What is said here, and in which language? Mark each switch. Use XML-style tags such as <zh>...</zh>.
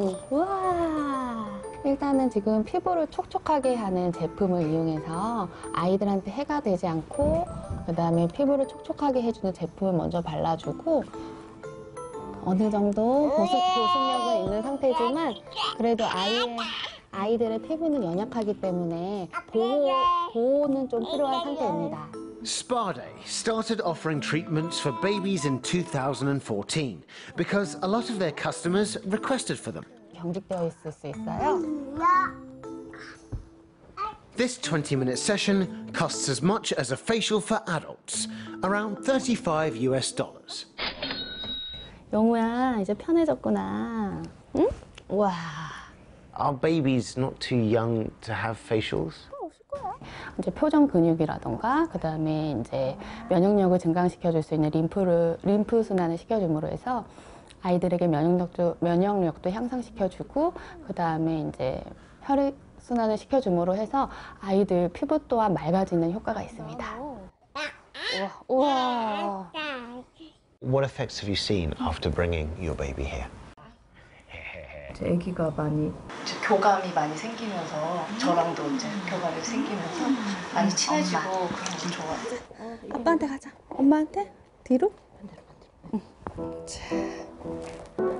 <ko>와. 일단은 지금 피부를 촉촉하게 하는 제품을 이용해서 아이들한테 해가 되지 않고 그다음에 피부를 촉촉하게 해 주는 제품을 먼저 발라 주고 어느 정도 보습력은 있는 상태지만 그래도 아이들의 피부는 연약하기 때문에 보호는 좀 필요한 상태입니다.</ko> <en>Spa Day started offering treatments for babies in 2014 because a lot of their customers requested for them.</en> <ko>경직되어 있을 수 있어요?</ko> <en>This 20-minute session costs as much as a facial for adults, around $35.</en> <ko>영우야, 이제 편해졌구나. 응? 와.</ko> <en>Are babies not too young to have facials?</en> <ko>이제 표정 근육이라던가 그다음에 이제 면역력을 증강시켜 줄 수 있는 림프 순환을 시켜 줌으로 해서 아이들에게 면역력도 향상시켜 주고 그다음에 이제 혈액 순환을 시켜 줌으로 해서 아이들 피부 또한 맑아지는 효과가 있습니다. 우와, 우와.</ko> <en>What effects have you seen after bringing your baby here?</en> <ko>제 아기가 많이 교감이 많이 생기면서 저랑도 이제 교감이 생기면서 많이 친해지고 엄마. 그런 게 좋아. 아빠한테 가자. 엄마한테 뒤로. 반대로.</ko>